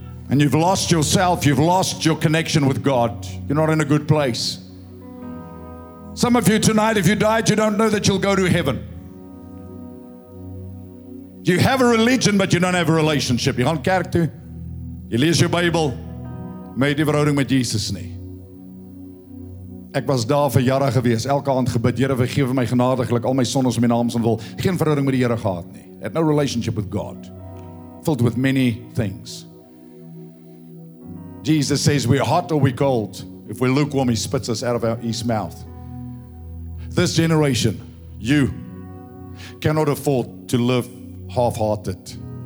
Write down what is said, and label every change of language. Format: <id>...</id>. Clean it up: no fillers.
<en>And you've lost yourself. You've lost your connection with God. You're not in a good place. Some of you tonight, if you died, you don't know that you'll go to heaven. You have a religion, but you don't have a relationship. You don't care to.</en> <af>Je lees je Bijbel, maar die verhouding met Jezus niet. Ik was daar voor jaren geweest, elke hand gebid, Heere, vergeef mij genadiglijk, al mijn zonden als mijn naam zijn wil. Geen verhouding met die Heere gehad, nee.</af> <en>I had no relationship with God, filled with many things. Jesus says, we're hot or we're cold. If we're lukewarm, He spits us out of our east mouth. This generation, you, cannot afford to live half-hearted.</en>